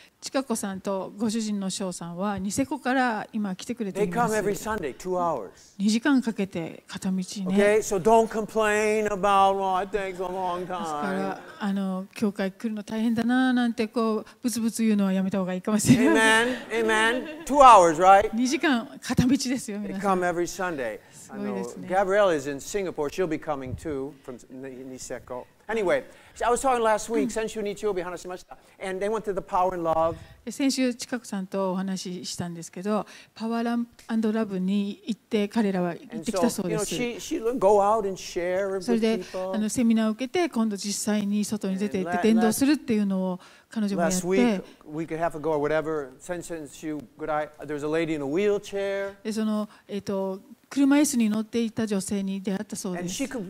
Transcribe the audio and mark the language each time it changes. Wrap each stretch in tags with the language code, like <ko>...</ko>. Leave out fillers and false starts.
<ja>ちかこさんとご主人のショウさんはニセコから今来てくれています。</ja> <en>They come every Sunday, 2 hours.</en> <ja>2時間かけて片道ね。</ja> <en>Okay, so don't complain about what it takes a long time.</en> <ja>ですから教会来るの大変だななんてこうブツブツ言うのはやめた方がいいかもしれない。</ja> <en>Amen, amen. 2 hours, right?</en> <ja>2時間片道ですよ。</ja> <en>They come every Sunday.</en> <ja>すごいですね。</ja> <en>Gabrielle is in Singapore. She'll be coming too from Niseko. Anyway, so I was talking last week,</en> <ja>先週日曜日話しました。</ja> <en>And they went through the power and love.</en> <ja>先週近くさんとお話ししたんですけど、パワー&ラブに行って彼らは行ってきたそうです。</ja> <en>And so, you know, she go out and share with people.</en> <ja>それでセミナーを受けて、今度実際に外に出て行って伝道するっていうのを彼女もやって。</ja> <en>Last week, week and a half ago or whatever,</en> <ja>先週ぐらい、</ja> <en>there was a lady in a wheelchair.</en> <ja>でその車椅子に乗っていた女性に出会ったそうです。</ja>